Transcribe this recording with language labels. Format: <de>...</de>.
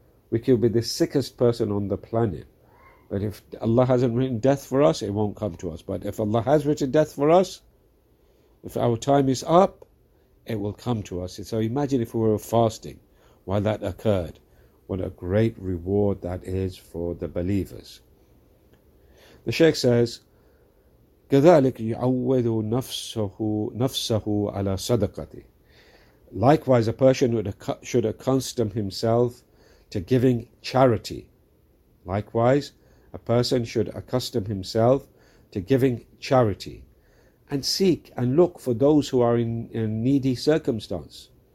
<en>We could be the sickest person on the planet. But if Allah hasn't written death for us, it won't come to us. But if Allah has written death for us, if our time is up, it will come to us. So imagine if we were fasting while that occurred. What a great reward that is for the believers. The Shaykh says,</en> <ar>كذلك يعود نفسه على صدقته.</ar> <en>Likewise, a person should accustom himself to giving charity. Likewise, a person should accustom himself to giving charity and seek and look for those who are in needy circumstance.</en>